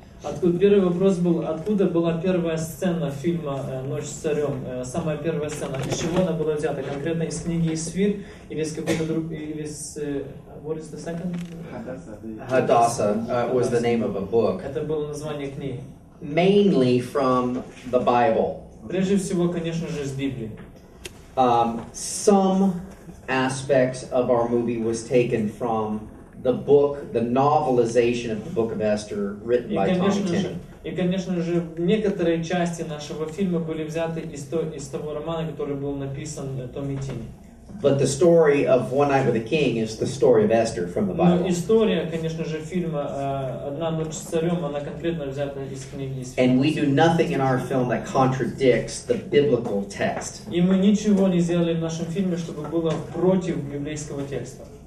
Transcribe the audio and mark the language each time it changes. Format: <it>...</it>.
<ru>Откуда первый вопрос был, откуда была первая сцена фильма «Ночь с царем», самая первая сцена, из чего она была взята, конкретно из книги «Исфир» или из какого-то другого, или из,</ru> <en>what is the second? Hadassah was the name of a book.</en> <ru>Это было название книги.</ru> <en>Mainly from the Bible.</en> <ru>Прежде всего, конечно же, из Библии.</ru> <en>Some aspects of our movie was taken from the book, the novelization of the Book of Esther, written by Tommy Tiernan.</en> <ru>И, конечно же, некоторые части нашего фильма были взяты из того романа, который был написан Томми Тини.</ru> <en>But the story of One Night with the King is the story of Esther from the Bible.</en> <ru>Но история, конечно же, фильма «Одна ночь с царем», она конкретно взята из книги.</ru> <en>And we do nothing in our film that contradicts the biblical text.</en> <ru>И мы ничего не сделали в нашем фильме, чтобы было против библейского текста.</ru>